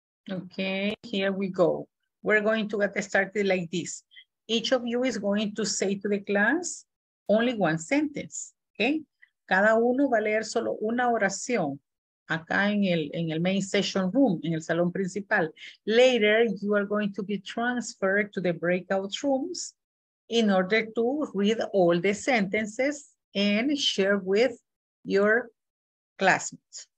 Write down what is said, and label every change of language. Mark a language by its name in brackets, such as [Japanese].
[English] Okay, here we go. We're going to get started like this. Each of you is going to say to the class only one sentence, okay? [Spanish] Cada uno va a leer solo una oración acá en el [English] main session room, [Spanish] en el salón principal. [English] Later, you are going to be transferred to the breakout rooms in order to read all the sentences and share with your classmates.